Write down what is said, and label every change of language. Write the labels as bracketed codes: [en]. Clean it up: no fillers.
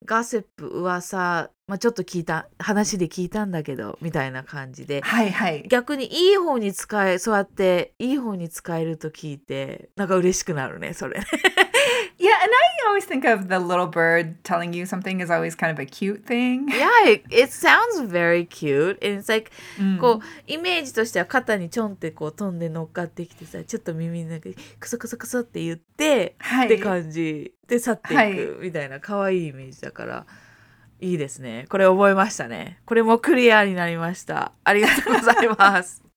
[ja] ガセップ、噂、まあちょっと聞いた、話で聞いたんだけど、みたいな感じで。はいはい。逆にいい方に使え、そうやっていい方に使えると聞いて、なんか嬉しくなるね、それ。 [en] Yeah, and I always think of the little bird telling you something is always kind of a cute thing. Yeah, it sounds very cute. And it's like,、mm. [ja] こう、イメージとしては肩にちょんってこう飛んで乗っかってきてさ、ちょっと耳の中でクソクソクソって言って、はい、って感じで去っていくみたいな可愛いイメージだから、はい、いいですね。これ覚えましたね。これもクリアになりました。ありがとうございます。